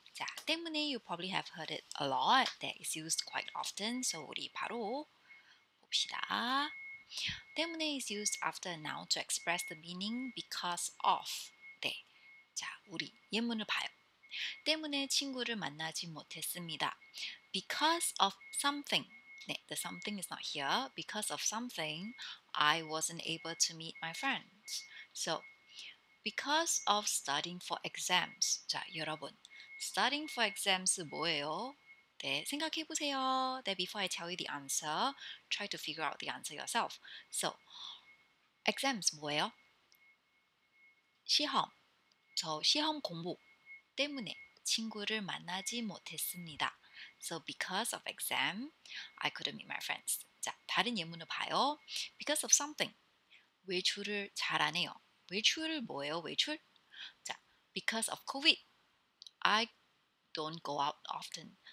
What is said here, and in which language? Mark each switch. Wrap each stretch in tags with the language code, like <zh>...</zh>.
<en>자, 때문에 you probably have heard it a lot that is used quite often.</en> <ko>So 우리 바로 봅시다.</ko> <en>때문에 is used after a noun to express the meaning because of.</en> <ko>네. 자, 우리 예문을 봐요. 때문에 친구를 만나지 못했습니다.</ko> <en>Because of something.</en> <ko>네,</ko> <en>the something is not here. Because of something, I wasn't able to meet my friends. So, because of studying for exams.</en> <ko>자, 여러분,</ko> <en>studying for exams</en> <ko>뭐예요? 네, 생각해 보세요.</ko> <en>That before I tell you the answer, try to figure out the answer yourself.</en> <ko>So, exams 뭐예요? 시험. 저 시험 공부 때문에 친구를 만나지 못했습니다.</ko> <en>So, because of exam, I couldn't meet my friends.</en> <ko>자, 다른 예문을 봐요.</ko> <en>Because of something.</en> <ko>외출을 잘안 해요. 외출을 뭐예요? 외출? 자,</ko> <en>because of COVID, I don't go out often.</en>